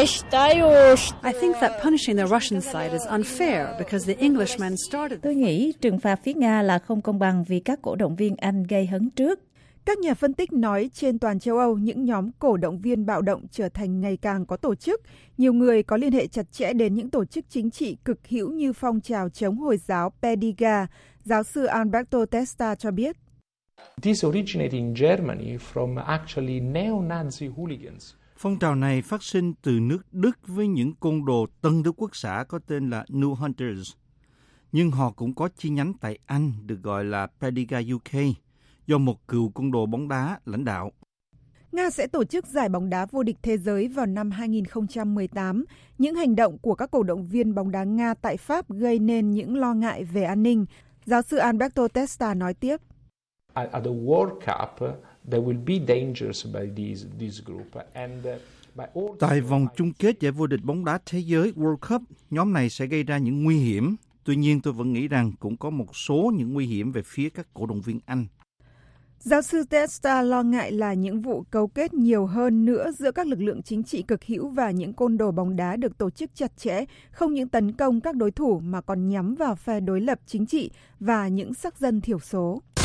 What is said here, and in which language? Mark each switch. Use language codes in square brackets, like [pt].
[vi] Tôi nghĩ trừng phạt phía Nga là không công bằng vì các cổ động viên Anh gây hấn trước. Các nhà phân tích nói trên toàn châu Âu, những nhóm cổ động viên bạo động trở thành ngày càng có tổ chức. Nhiều người có liên hệ chặt chẽ đến những tổ chức chính trị cực hữu như phong trào chống Hồi giáo PEDIGA, giáo sư Alberto Testa cho biết. [en] This originated in Germany from actually neo-Nazi hooligans. [vi] Phong trào này phát sinh từ nước Đức với những côn đồ tân Đức Quốc xã có tên là New Hunters. Nhưng họ cũng có chi nhánh tại Anh được gọi là Prediga UK, do một cựu côn đồ bóng đá lãnh đạo. Nga sẽ tổ chức giải bóng đá vô địch thế giới vào năm 2018. Những hành động của các cổ động viên bóng đá Nga tại Pháp gây nên những lo ngại về an ninh. Giáo sư Alberto Testa nói tiếp. [en] At the World Cup, there will be dangers by this group and by all. [vi] Tại vòng chung kết giải vô địch bóng đá thế giới World Cup, nhóm này sẽ gây ra những nguy hiểm. Tuy nhiên, tôi vẫn nghĩ rằng cũng có một số những nguy hiểm về phía các cổ động viên Anh. Giáo sư Testa lo ngại là những vụ cấu kết nhiều hơn nữa giữa các lực lượng chính trị cực hữu và những côn đồ bóng đá được tổ chức chặt chẽ, không những tấn công các đối thủ mà còn nhắm vào phe đối lập chính trị và những sắc dân thiểu số.